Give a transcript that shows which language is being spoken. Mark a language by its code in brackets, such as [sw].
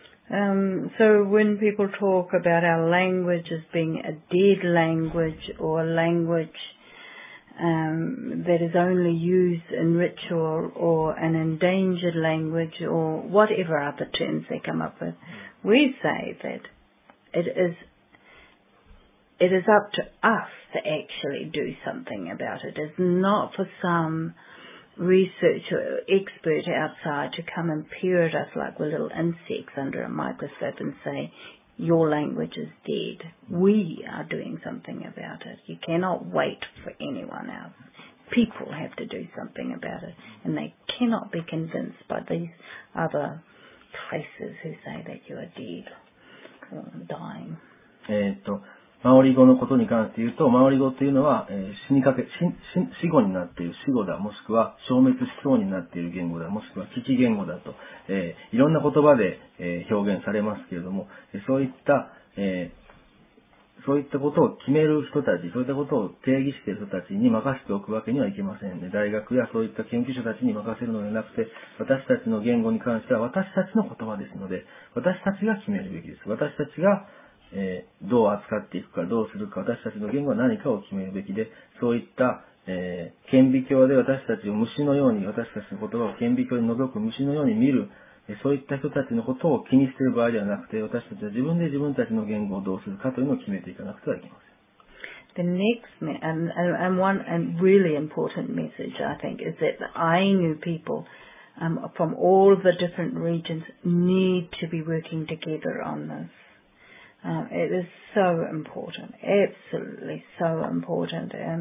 [en] So when people talk about our language as being a dead language or a language that is only used in ritual or an endangered language or whatever other terms they come up with, we say that it is up to us to actually do something about it. It's not for some researcher or expert outside to come and peer at us like we're little insects under a microscope and say, your language is dead. We are doing something about it. You cannot wait for anyone else. People have to do something about it. And they cannot be convinced by these other places who say that you are dead or dying. [ja] マオリ語のことに関して言うと、マオリ語というのは、死語になっている死語だ、もしくは消滅しそうになっている言語だ、もしくは危機言語だと、いろんな言葉で、表現されますけれども、そういった、そういったことを決める人たち、そういったことを定義している人たちに任せておくわけにはいけませんね。大学やそういった研究者たちに任せるのではなくて、私たちの言語に関しては私たちの言葉ですので、私たちが決めるべきです。私たちが、どう扱っていくか、どうするか、私たちの言語は何かを決めるべきで、そういった、顕微鏡で私たちを虫のように、私たちの言葉を顕微鏡に覗く虫のように見る、そういった人たちのことを気にしている場合ではなくて、私たちは自分で自分たちの言語をどうするかというのを決めていかなくてはいけません。 [en] The next and one and really important message I think is that the Ainu people from all the different regions need to be working together on this. It is so important, absolutely so important.